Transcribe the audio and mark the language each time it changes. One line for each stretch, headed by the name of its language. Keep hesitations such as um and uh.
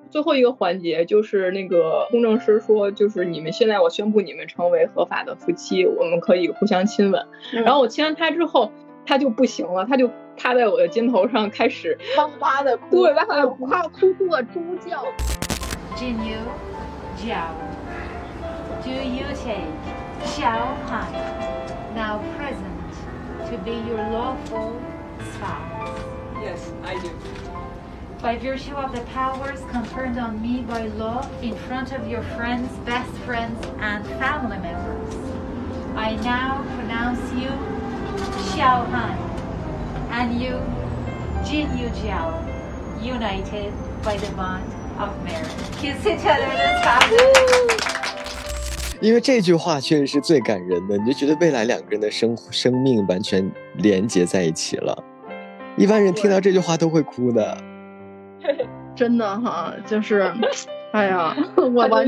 Chinese: 最后一个环节，就是那个公证师说，就是你们现在我宣布你们成为合法的夫妻，我们可以互相亲吻。嗯、然后我亲完他之后。 他就不行了，他就趴在我的肩头上开始哇哇的哭，对，哇哇的哭，哭哭的猪叫。
English: Jin Yu Jiao, do you take Xiao Han now present to be your lawful spouse? Yes, I do. By virtue of the powers conferred on me by law in front of your friends, best friends, and family members, I now pronounce you. 肖汉，and you, Jin Yu Jiao, united by the bond of marriage. Kiss it,
Chinese: c h a r t i e 因为这句话确实是最感人的，你就觉得未来两个人的生生命完全连接在一起了。一般人听到这句话都会哭的。真的哈，就是。哎呀，我完